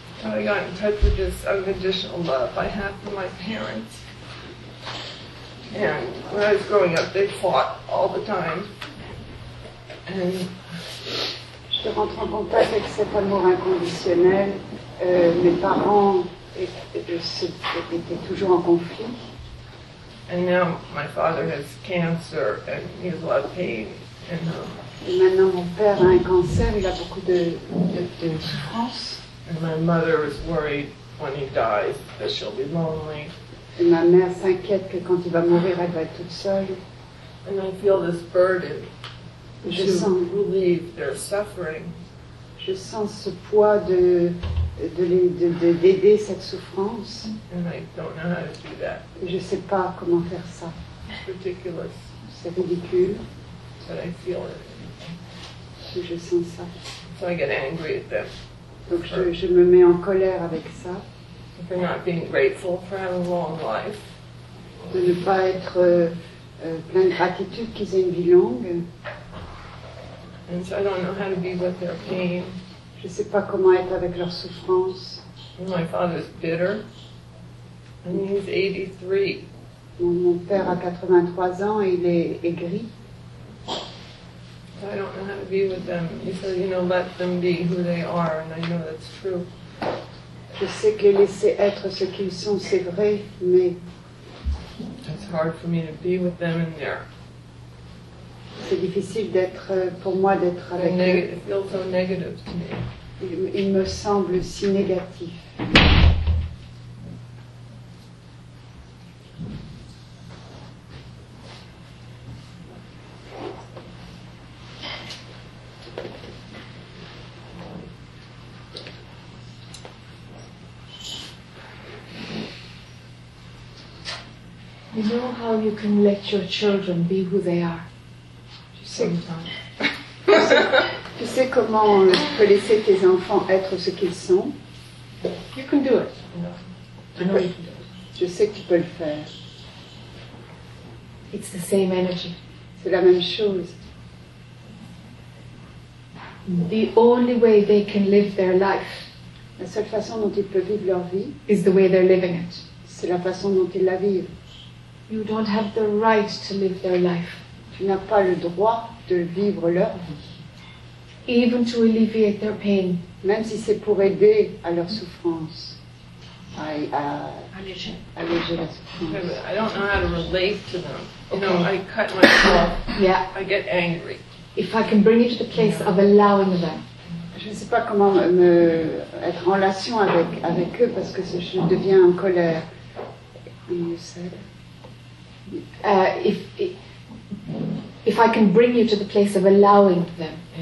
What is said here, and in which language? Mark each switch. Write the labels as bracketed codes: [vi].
[en] I got in touch with this unconditional love I have for my parents. And when I was growing up, they fought all the time. And [fr] je rentre en contact avec cet amour inconditionnel. Mes parents étaient toujours en conflit. [en] And now my father has cancer and he has a lot of pain. [fr] Et maintenant mon père a un cancer, il a beaucoup de souffrance. [en] And my mother is worried when he dies that she'll be lonely. [fr] Et ma mère s'inquiète que quand il va mourir, elle va être toute seule. [en] And I feel this burden to relieve their suffering. [fr] Je sens ce poids d'aider cette souffrance. [en] And I don't know how to do that. [fr] Je sais pas comment faire ça. [en] It's ridiculous. [fr] C'est ridicule. [en] But I feel it. [fr] Si je sens ça. [en] So I get angry at them. [fr] Donc je me mets en colère avec ça. [en] For not being grateful for having a long life. [fr] De ne pas être plein de gratitude qu'ils aient une vie longue. [en] And so I don't know how to be with their pain. [fr] Je ne sais pas comment être avec leur souffrance. [en] My father's bitter. And he's 83. [fr] Mon père a 83 ans et il est aigri. [en] So I don't know how to be with them. He said, you know, let them be who they are, and I know that's true. [fr] Je sais que laisser être ce qu'ils sont, c'est vrai, mais [en] it's hard for me to be with them in there. [fr] C'est difficile d'être pour moi d'être avec eux. [en] It feels so negative to me. [fr] Il me semble si négatif. [en] You know how you can let your children be who they are. [fr] Tu sais comment on peut laisser tes enfants être ce qu'ils sont. [en] You can do it. [fr] Je sais que tu peux le faire. [en] It's the same energy. [fr] C'est la même chose. [en] The only way they can live their life, [fr] la seule façon dont ils peuvent vivre leur vie, [en] is the way they're living it. [fr] C'est la façon dont ils la vivent. [en] You don't have the right to live their life. [fr] Tu n'as pas le droit de vivre leur vie. [en] Even to alleviate their pain. [fr] Même si c'est pour aider à leur souffrance. [en] I don't know how to relate to them. Okay. You know, I cut myself. Yeah. I get angry. If I can bring you to the place of allowing them. [fr] Je ne sais pas comment me être en relation avec eux parce que je deviens en colère. [en] You said. If I can bring you to the place of allowing them.